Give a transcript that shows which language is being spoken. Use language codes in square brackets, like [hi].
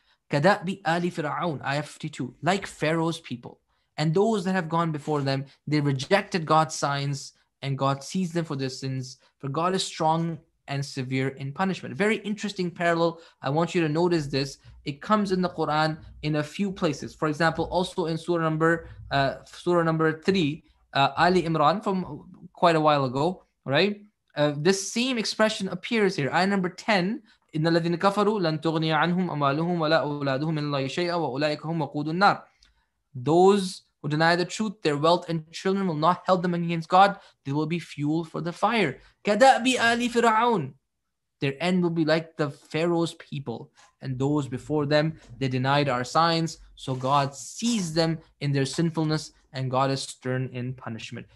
[ar] كَدَأْبِ آلِ فِرْعَوْنَ, [en] Ayah 52, like Pharaoh's people and those that have gone before them, they rejected God's signs and God sees them for their sins, for God is strong and severe in punishment. Very interesting parallel. I want you to notice this. It comes in the Quran in a few places. For example, also in surah number 3, Ali Imran, from quite a while ago, right? This same expression appears here. Ayah number 10, [ar] إِنَّ الَّذِينَ كَفَرُوا لَن تُغْنِيَ عَنْهُمْ أَمَالُهُمْ وَلَا أَوْلَادُهُمْ مِنَ اللَّهِ شَيْئًا وَأُولَٰئِكَ هُمْ وَقُودُ النَّارِ. [en] Those who deny the truth, their wealth and children will not help them against God. They will be fuel for the fire. [ar] كَدَأْبِ آلِ فِرْعَوْنَ. [en] Their end will be like the Pharaoh's people and those before them. They denied our signs, so God sees them in their sinfulness and God is stern in punishment.